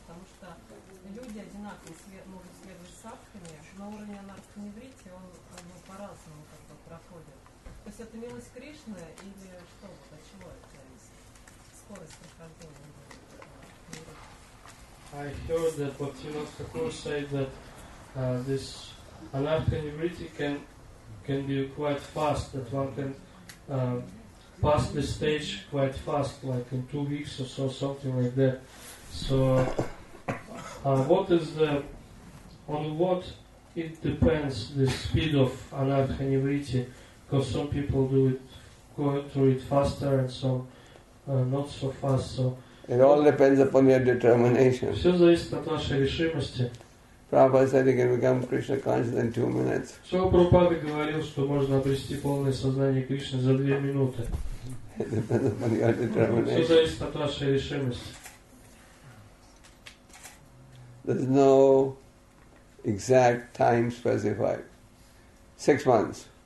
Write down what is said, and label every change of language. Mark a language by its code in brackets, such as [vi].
[ru] Потому что люди одинаковые могут следовать садхами, но уровень анархоневрити он по-разному как бы проходит. То есть это милость Кришны или что? От чего это зависит? Скорость прохождения. [en] I heard that Bhaktivinoda Thakur said that this anartha nivritti can be quite fast, that one can pass the stage quite fast, like in 2 weeks or so, something like that. So what is the, on what it depends, the speed of anartha nivritti? Because some people do it, go through it faster, and some not so fast. So it all depends upon your determination. [ru] Все зависит от вашей решимости. [en] Prabhupada said you can become Krishna conscious in 2 minutes. [ru] Что Прабхупада говорил, что можно обрести полное сознание Кришны за 2 минуты. [en] It depends upon your determination. [ru] Все зависит от вашей решимости. [en] There's no exact time specified. 6 months.